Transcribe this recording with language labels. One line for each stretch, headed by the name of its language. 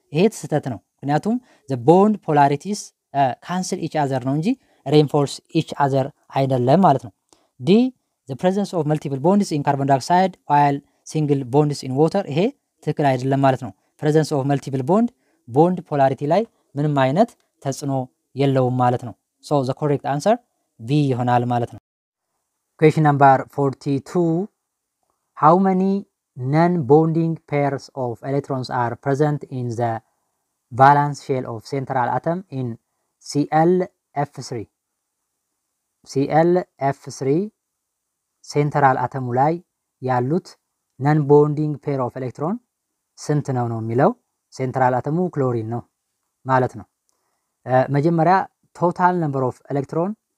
Amharic: ይሄ ስህተት ነው ምክንያቱም
English: the bond polarities cancel each other
Amharic: ነው እንጂ
English: reinforce each other
Amharic: አይደለም ማለት ነው።
English: D, the presence of multiple bonds in carbon dioxide while single bonds in water.
Amharic: ይሄ ትክክል አይደለም ማለት ነው።
English: Presence of multiple bond bond polarity
Amharic: ላይ ምንም አይነት ተጽዕኖ የለውም ማለት ነው።
English: So the correct answer B
Amharic: ይሆናል ማለት ነው።
English: Question number 42. How many non-bonding pairs of electrons are present in the valence shell of central atom in ClF3?
Amharic: ClF3 ሴንትራል አተሙ ላይ ያሉት ነን ቦንዲንግ ፔር ኦፍ ኤሌክትሮን ስንት ነው ነው የሚለው። ሴንትራል አተሙ ክሎሪን ነው ማለት ነው። መጀመሪያ ቶታል ነምበር ኦፍ ኤሌክትሮን